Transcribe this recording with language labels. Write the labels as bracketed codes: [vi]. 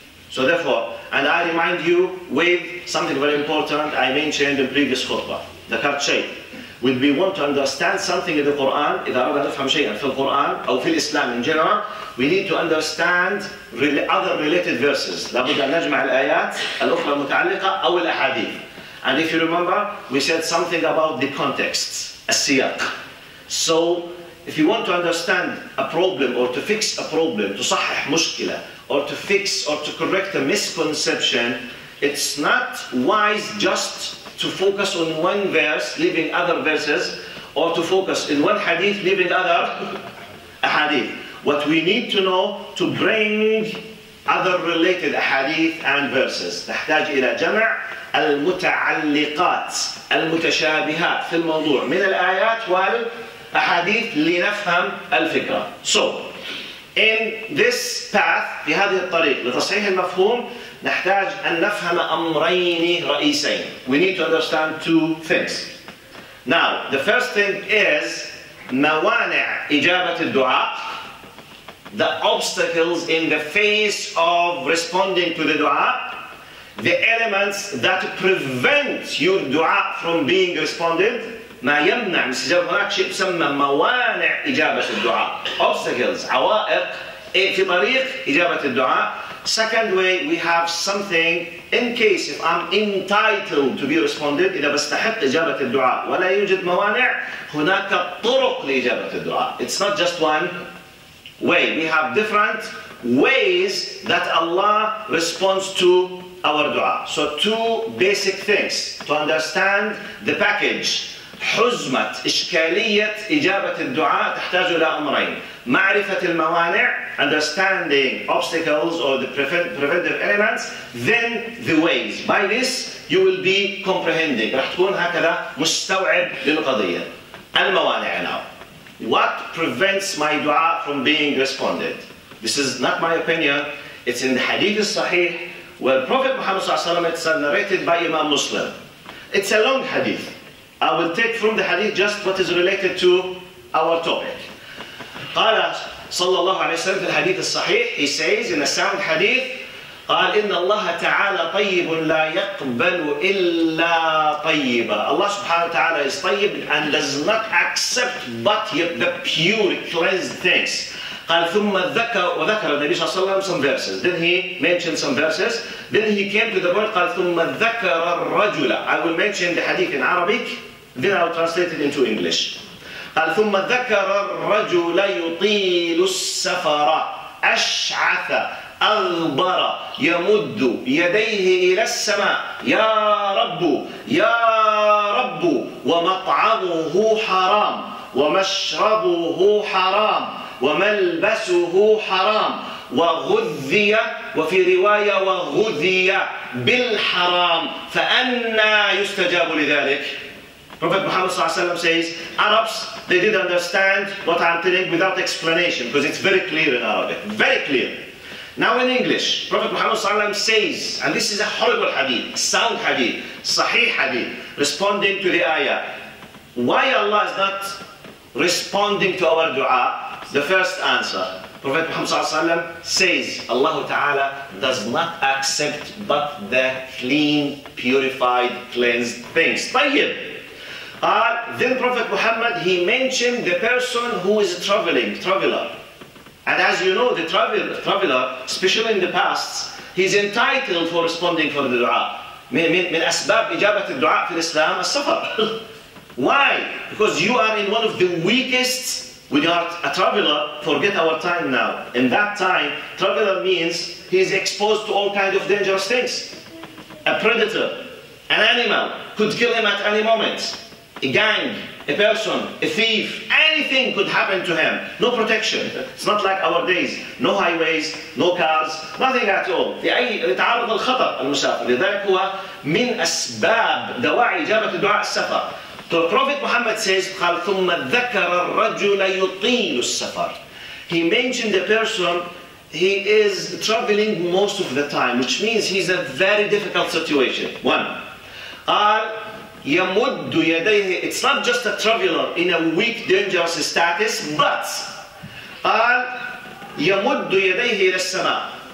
[en] So therefore, and I remind you with something very important I mentioned in previous khutbah, the Karchay. When we want to understand something in the Quran, [ar] إذا أردنا نفهم شيئا في القرآن أو في الإسلام [en] in general, we need to understand other related verses. [ar] لابد أن نجمع الآيات الأخرى المتعلقة أو الأحاديث. [en] And if you remember, we said something about the context, السياق. So, if you want to understand a problem or to fix a problem, to صحح مشكلة, or to fix or to correct a misconception, it's not wise just to focus on one verse, leaving other verses, or to focus in one hadith, leaving other hadith. What we need to know to bring other related hadith and verses. [ar] نحتاج إلى جمع المتعلقات المتشابهات في الموضوع من الآيات والأحاديث لنفهم الفكرة. [en] So, in this path, [ar] في هذه الطريق لتصحيح المفهوم, نحتاج أن نفهم أمرين رئيسين. [en] We need to understand two things. Now, the first thing is موانع إجابة الدعاء, the obstacles in the face of responding to the دعاء, the elements that prevent your دعاء from being responded. [ar] ما يمنع من استجابة هناك شيء يسمى موانع إجابة الدعاء. Obstacles, عوائق في طريق إجابة الدعاء. [en] Second way, we have something in case if I'm entitled to be responded, [ar] إذا بستحق إجابة الدعاء ولا يوجد موانع, هناك طرق لإجابة الدعاء. [en] It's not just one way. We have different ways that Allah responds to our دعاء. So two basic things to understand the package. [ar] حزمة إشكالية إجابة الدعاء تحتاج إلى أمرين. معرفة الموانع, [en] understanding obstacles or the preventive elements, then the ways. By this, you will be comprehending. [ar] رح تكون هكذا مستوعب للقضية. [en] الموانع now. What prevents my dua from being responded? This is not my opinion. It's in the hadith al-sahih, where Prophet Muhammad sallallahu alayhi wa sallam, it's narrated by Imam Muslim. It's a long hadith. I will take from the hadith just what is related to our topic. [ar] قال صلى الله عليه وسلم في الحديث الصحيح, [en] he says in a sound hadith, [ar] قال إن الله تعالى طيب لا يقبل إلا طيبا. [en] الله سبحانه وتعالى is طيب and does not accept but the pure cleansed things. [ar] قال ثم ذكر وذكر النبي صلى الله عليه وسلم [en] some verses. Then he mentioned some verses. Then he came to the point [ar] قال ثم ذكر الرجل. [en] I will mention the hadith in Arabic. Then I will translate it into English. [ar] قال ثم ذكر الرجل يطيل السفر أشعث أغبر يمد يديه إلى السماء يا رب يا رب ومطعمه حرام ومشربه حرام وملبسه حرام وغذي وفي رواية وغذي بالحرام فأنى يستجاب لذلك. [en] Prophet Muhammad صلى الله عليه وسلم says, Arabs, they didn't understand what I'm telling without explanation because it's very clear in Arabic, very clear. Now in English, Prophet Muhammad صلى الله عليه وسلم says, and this is a horrible hadith, sound hadith, sahih hadith, responding to the ayah. Why Allah is not responding to our dua? The first answer, Prophet Muhammad صلى الله عليه وسلم says, Allah Ta'ala does not accept but the clean, purified, cleansed things. طيب. Then Prophet Muhammad, he mentioned the person who is traveling, traveler. And as you know, the traveler, especially in the past, he's entitled for responding for the dua. [ar] من أسباب إجابة الدعاء في الإسلام السفر. [en] Why? Because you are in one of the weakest, when you are a traveler, forget our time now. In that time, traveler means he's exposed to all kinds of dangerous things. A predator, an animal, could kill him at any moment. A gang, a person, a thief, anything could happen to him. No protection. It's not like our days. No highways, no cars, nothing at all. [ar] لأي لتعرض الخطر المسافر. لذلك هو من أسباب دواعي إجابة الدعاء السفر. [en] The Prophet Muhammad says, [ar] قال ثم ذكر الرجل يطيل السفر. [en] He mentioned the person, he is traveling most of the time, which means he's in a very difficult situation. [ar] One. قال يمد يديه. [en] It's not just a traveler in a weak, dangerous status, but [ar] قال يمد يديه إلى السماء.